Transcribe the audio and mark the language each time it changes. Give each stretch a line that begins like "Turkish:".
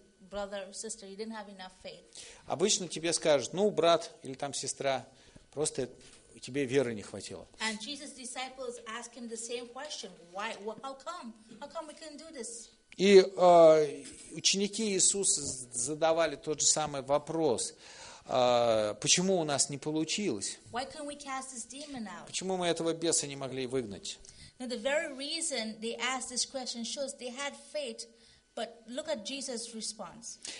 English: Brother, sister, you didn't have enough faith.
Russian: Обычно тебе скажут, ну, брат или там сестра, просто тебе веры не хватило.
English: And Jesus' disciples ask him the same question. Why? How come? How come we couldn't do this?
Russian: И ученики Иисуса задавали тот же самый вопрос. Почему у нас не получилось?
English: Why couldn't we cast this demon out?
Russian: Почему мы этого беса не могли выгнать?
English: Now, the very reason they asked this question shows they had faith. But look at Jesus' response.